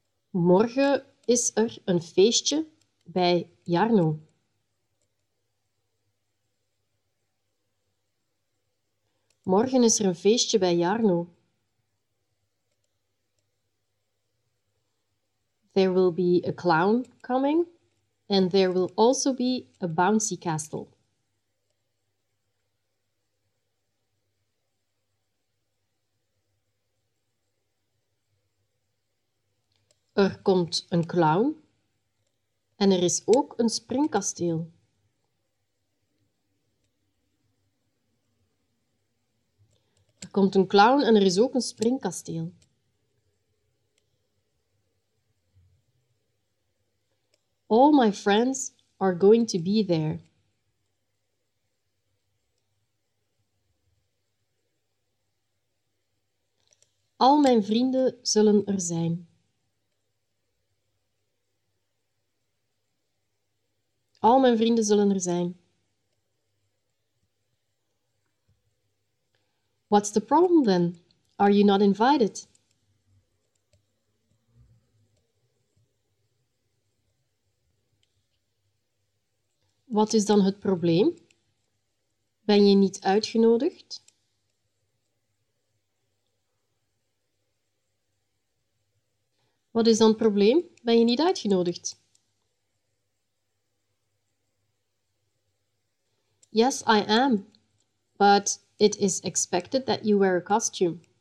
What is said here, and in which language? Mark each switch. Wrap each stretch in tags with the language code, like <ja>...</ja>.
<nl>Morgen is er een feestje bij Jarno. Morgen is er een feestje bij Jarno.</nl> <en>There will be a clown coming, and there will also be a bouncy castle.</en> <nl>Er komt een clown en er is ook een springkasteel. Er komt een clown en er is ook een springkasteel.</nl> <en>All my friends are going to be there.</en> <nl>Al mijn vrienden zullen er zijn. Al mijn vrienden zullen er zijn.</nl> <en>What's the problem then? Are you not invited?</en> <nl>Wat is dan het probleem? Ben je niet uitgenodigd? Wat is dan het probleem? Ben je niet uitgenodigd?</nl> <en>Yes, I am, but it is expected that you wear a costume.</en>